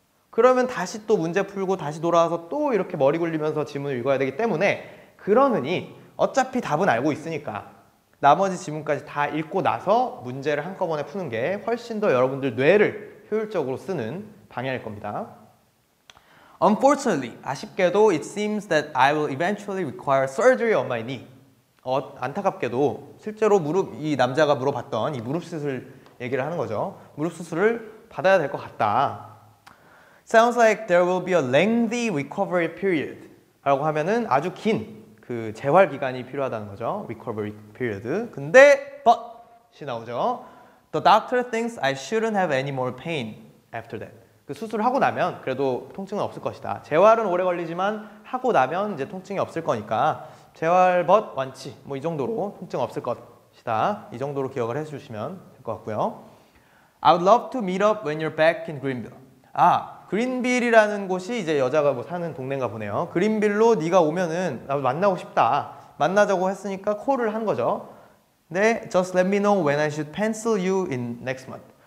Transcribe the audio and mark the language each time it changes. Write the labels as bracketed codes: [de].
[ko] 그러면 다시 또 문제 풀고 다시 돌아와서 또 이렇게 머리 굴리면서 지문을 읽어야 되기 때문에 그러느니 어차피 답은 알고 있으니까 나머지 지문까지 다 읽고 나서 문제를 한꺼번에 푸는 게 훨씬 더 여러분들 뇌를 효율적으로 쓰는 방향일 겁니다. [en] Unfortunately, [ko] 아쉽게도 [en] it seems that I will eventually require surgery on my knee. [ko] 안타깝게도 실제로 무릎 이 남자가 물어봤던 이 무릎 수술 얘기를 하는 거죠. 무릎 수술을 받아야 될 것 같다. [en] Sounds like there will be a lengthy recovery period. [ko] 라고 하면은 아주 긴 그 재활 기간이 필요하다는 거죠. Recovery period. 근데 but이 나오죠. [en] The doctor thinks I shouldn't have any more pain after that. [ko] 그 수술을 하고 나면 그래도 통증은 없을 것이다. 재활은 오래 걸리지만 하고 나면 이제 통증이 없을 거니까 재활 but 완치 뭐 이 정도로 통증 없을 것이다. 이 정도로 기억을 해주시면 될 것 같고요. [en] I would love to meet up when you're back in Greenville. [ko] 아, 그린빌이라는 곳이 이제 여자가 뭐 사는 동네인가 보네요. 그린빌로 네가 오면은 나 만나고 싶다. 만나자고 했으니까 콜을 한 거죠. [en] 네, just let me know when I should pencil you in next month.